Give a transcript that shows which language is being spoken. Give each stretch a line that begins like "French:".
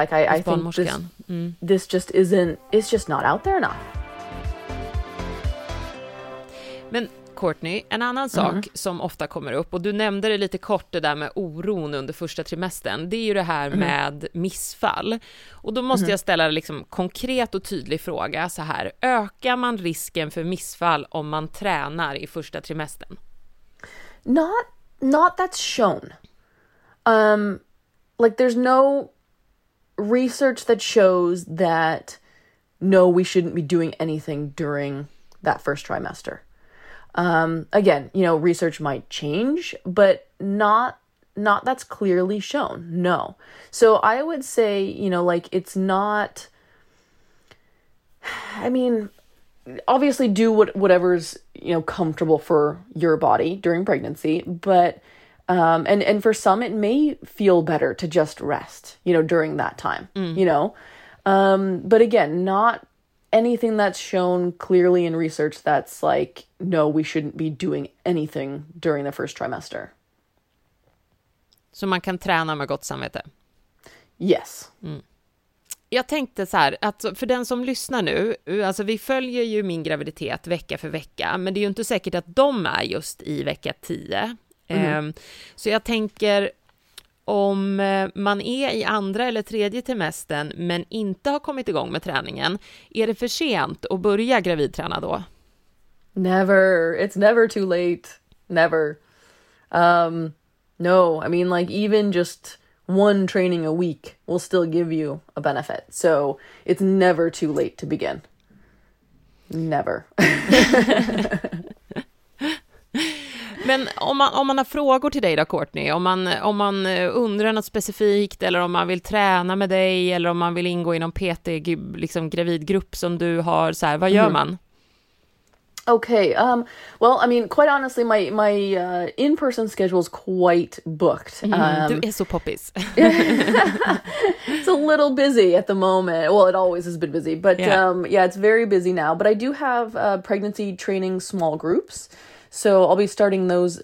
English: Like, I think this just isn't, it's just not out there enough.
Swedish: Men Courtney, en annan sak som ofta kommer upp, och du nämnde det lite kort, det där med oron under första trimestern, det är ju det här med missfall. Och då måste jag ställa liksom konkret och tydlig fråga så här: ökar man risken för missfall om man tränar i första trimestern?
English: Not that's shown. Like, there's no research that shows that no, we shouldn't be doing anything during that first trimester. Again, you know, research might change, but not that's clearly shown. No. So I would say, you know, like, it's not, I mean, obviously do whatever's, you know, comfortable for your body during pregnancy, but, and for some, it may feel better to just rest, you know, during that time, you know? But again, not anything that's shown clearly in research that's like, no, we shouldn't be doing anything during the first trimester.
Swedish: Så man kan träna med gott samvete?
English: Yes.
Swedish: Jag tänkte så här, att för den som lyssnar nu, alltså, vi följer ju min graviditet vecka för vecka, men det är ju inte säkert att de är just i vecka 10. Så jag tänker, om man är i andra eller tredje trimestern men inte har kommit igång med träningen, är det för sent att börja gravidträna då?
English: Never. It's never too late. Never. No, I mean, like, even just one training a week will still give you a benefit. So it's never too late to begin. Never.
Swedish: Men om man har frågor till dig då, Courtney, om man undrar något specifikt, eller om man vill träna med dig, eller om man vill ingå i någon PT, liksom, gravidgrupp som du har, så här, vad gör man?
English: Okay, well, I mean, quite honestly, my in-person schedule is quite booked.
Swedish: Du är så poppis.
English: It's a little busy at the moment. Well, it always has been busy, but yeah, it's very busy now. But I do have pregnancy training small groups. So I'll be starting those.